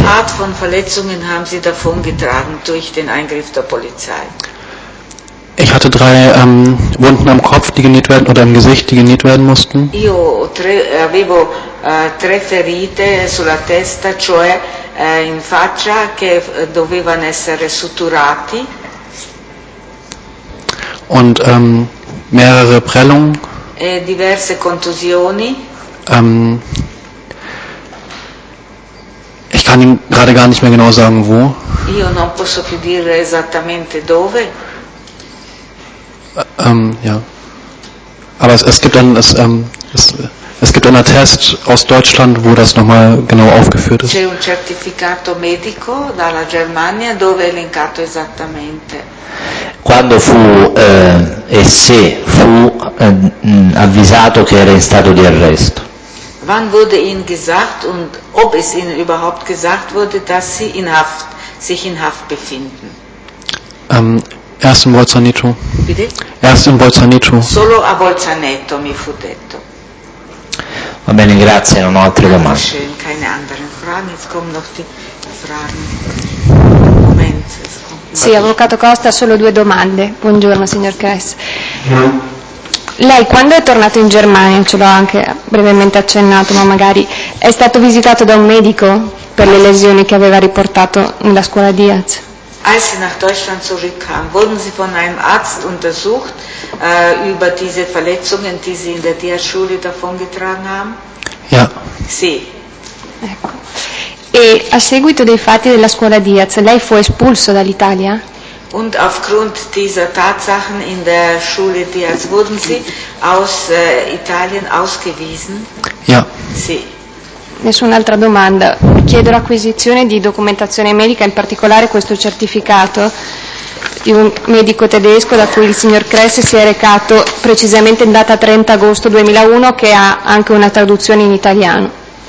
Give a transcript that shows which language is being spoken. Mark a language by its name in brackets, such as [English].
[German] Welche Art von Verletzungen haben Sie davongetragen durch den Eingriff der Polizei? Ich hatte drei Wunden am Kopf, die genäht werden oder im Gesicht, die genäht werden mussten. [Italian] Io avevo tre ferite sulla testa, cioè in faccia, che dovevano essere suturati. [German] Und mehrere Prellungen. [Italian] E diverse contusioni. [German] Ich kann Ihnen gerade gar nicht mehr genau sagen, wo. [Italian] Io non posso più dire esattamente dove. [German] Ja. Aber es gibt einen Attest aus Deutschland, wo das nochmal genau aufgeführt ist. [Italian] C'è un certificato medico dalla Germania dove è elencato esattamente. Quando fu e se fu avvisato che era in stato di arresto. [German] Wann wurde Ihnen gesagt und ob es Ihnen überhaupt gesagt wurde, dass Sie sich in Haft befinden? Erst in Bolzaneto. Bitte? Erst in Bolzaneto. [Italian] Solo a Bolzaneto mi fu detto. Va bene, grazie, non ho altre domande. [German] Keine anderen Fragen, jetzt kommen noch die Fragen. Moment. [Italian] Sì, avvocato Costa, solo due domande. Buongiorno, signor Kress. Lei quando è tornato in Germania, ce l'ho anche brevemente accennato, ma magari è stato visitato da un medico per le lesioni che aveva riportato nella scuola Diaz? [German] Als Sie nach Deutschland zurückkamen, wurden Sie von einem Arzt untersucht über diese Verletzungen, die Sie in der Diaz-Schule davongetragen haben? Ja. [Italian] Sì. Ecco. E a seguito dei fatti della scuola Diaz, lei fu espulso dall'Italia? [German] Und aufgrund dieser Tatsachen in der Schule Diaz wurden Sie aus Italien ausgewiesen? Ja. [Italian] Sì. Nessun'altra domanda. chiedo l'acquisizione di documentazione medica, in particolare questo certificato di un medico tedesco da cui il signor Kress si è recato precisamente in data 30 agosto 2001, che ha anche una traduzione in italiano.